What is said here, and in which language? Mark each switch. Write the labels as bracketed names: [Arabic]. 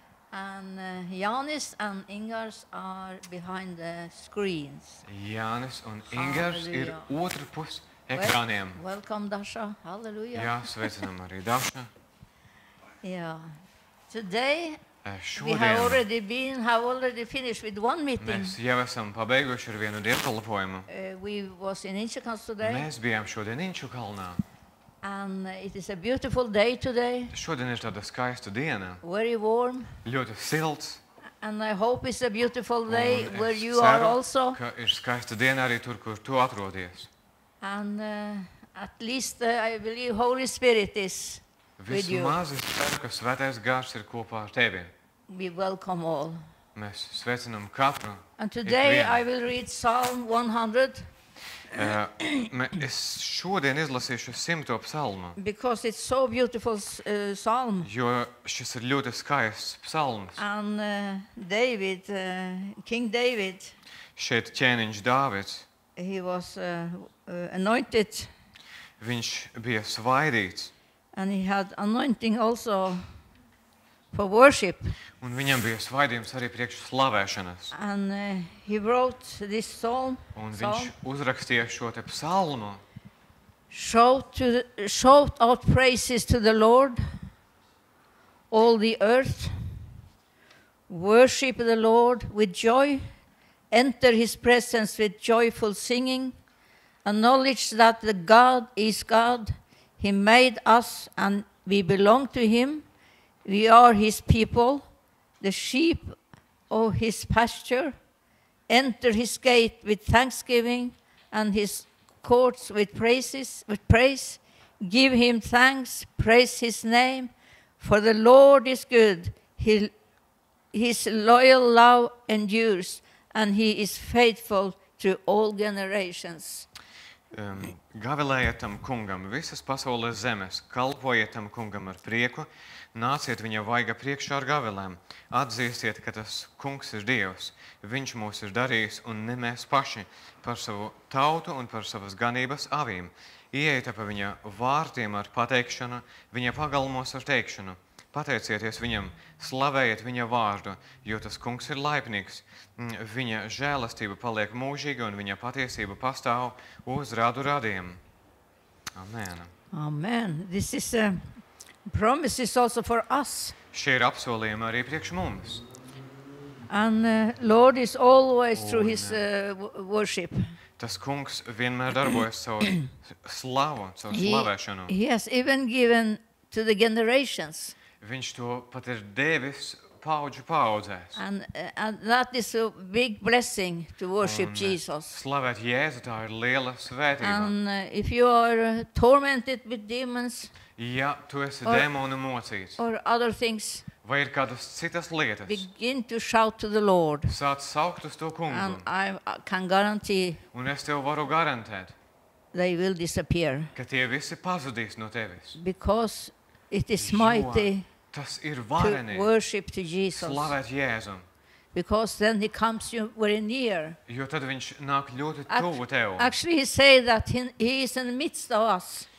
[English] And Janis and Ingars are behind the screens. [Latvian] Janis un Ingars ir otra pus ekrāniem. [English] Welcome, Dasha. Hallelujah. [Latvian] Jā, sveicinam arī Dasha. [English] Yeah. Today we have already finished with one meeting. [Latvian] Mēs jau esam pabeiguši ar vienu dievkalpojumu. [English] We was in Inčukalns today. [Latvian] Mēs bijām šodien Inčukalnā. [English] And it is a beautiful day today. [Latvian] Šodien ir tāda skaista diena. [English] Very warm. [Latvian] Ļoti silts. [English] And I hope it's a beautiful day [Latvian] Un [English] where [Latvian] es [English] you [Latvian] ceru, [English] are also. [Latvian] Ka ir skaista diena arī tur, kur tu atrodies. [English] And at least I believe Holy Spirit is [Latvian] Vismaz es ceru, ka Svētais Gars ir kopā ar tevi. [English] We welcome all. [Latvian] Mēs sveicinam katru. [English] And today I will read Psalm 100. [Latvian] Es šodien izlasīšu 100. Psalmu. [English] Because it's so beautiful psalm. [Latvian] Jo šis ir ļoti skaists psalms. [English] And David, King David. [Latvian] Šeit ķēniņš Dāvids. [English] He was anointed. [Latvian] Viņš bija svaidīts. [English] And he had anointing also for worship. [Latvian] Un viņam bija svaidījums arī priekš slavēšanas. [English] And he wrote this psalm. [Latvian] Un viņš uzrakstīja šo te psalmu. [English] Shout out praises to the Lord, all the earth. Worship the Lord with joy. Enter his presence with joyful singing. Acknowledge that the God is God. He made us and we belong to him. We are his people, the sheep of his pasture. Enter his gate with thanksgiving and his courts with praise. Give him thanks, praise his name. For the Lord is good, his loyal love endures, and he is faithful to all generations. [Latvian] Gavilējietam kungam visas pasaules zemes, kalpojietam kungam ar prieku, nāciet viņa vaiga priekšā ar gavilēm, atzīstiet, ka tas kungs ir Dievs, viņš mūs ir darījis un ne mēs paši, par savu tautu un par savas ganības avīm, ieejiet pa viņa vārtiem ar pateikšanu, viņa pagalmos ar teikšanu. Pateicieties viņam, slavējiet viņa vārdu, jo tas kungs ir laipnīgs. Viņa žēlastība paliek mūžīga un viņa patiesība pastāv uz radu radiem. Amen. Amen. [English] This is a promise also for us. [Latvian] Šie ir apsolījumi arī priekš mums. [English] And Lord is always through his worship. [Latvian] Tas kungs vienmēr darbojas savu slavu, savu slavēšanu. [English] He has even given to the generations. [Latvian] Viņš to pat ir devis paudžu paudzēs. [English] And that is a big blessing to worship Jesus. [Latvian] Slavēt Jēzu, tā ir liela svētība. [English] And if you are tormented with demons, [Latvian] ja tu esi dēmonu mocīts, [English] or other things, [Latvian] vai ir kādas citas lietas, [English] begin to shout to the Lord. [Latvian] Sāc saukt uz to kungu. [English] And I can guarantee, [Latvian] un es tev varu garantēt, [English] they will disappear. [Latvian] Ka tie visi pazudīs no tevis. [English] Because it is mighty [Latvian] tas ir vareni, [English] to worship to Jesus. [Latvian] Slavēt Jēzu. [English] Because then he comes you very near. [Latvian] Jo tad viņš nāk ļoti tuvu tev. [English] Actually he say that he is in the midst of us.